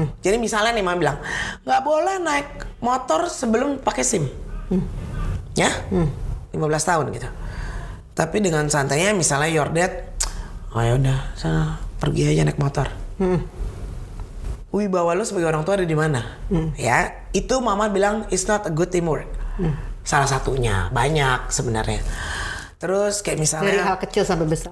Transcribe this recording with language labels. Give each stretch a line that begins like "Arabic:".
Indonesian: Jadi misalnya nih mama bilang, gak boleh naik motor sebelum pakai SIM. Ya, 15 tahun gitu. Tapi dengan santainya misalnya
English: your dad,
Indonesian: oh yaudah sana pergi aja naik motor. Wibawa lu sebagai orang tua ada di mana? Ya, itu mama bilang
English: it's not a good teamwork.
Indonesian: Salah satunya, banyak sebenarnya. Terus kayak misalnya dari hal kecil sampai besar.